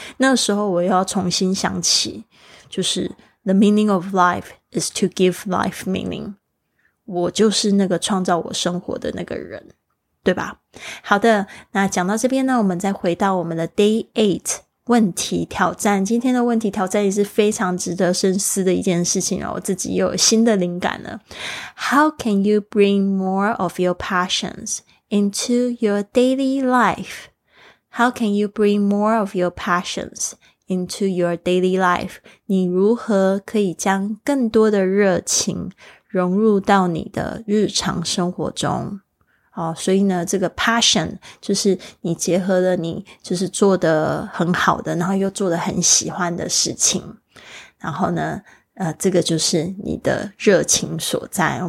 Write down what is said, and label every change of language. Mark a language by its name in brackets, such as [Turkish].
[Chinese] 那时候我又要重新想起就是 [English] The meaning of life is to give life meaning， [Chinese] 我就是那个创造我生活的那个人，对吧？好的，那讲到这边呢，我们再回到我们的 Day 8问题挑战。今天的问题挑战也是非常值得深思的一件事情哦，我自己又有新的灵感了。 [English] How can you bring more of your passions into your daily life? How can you bring more of your passions into your daily life? [Chinese] 你如何可以将更多的热情融入到你的日常生活中？好，所以呢这个 passion 就是你结合了你就是做得很好的然后又做得很喜欢的事情，然后呢这个就是你的热情所在。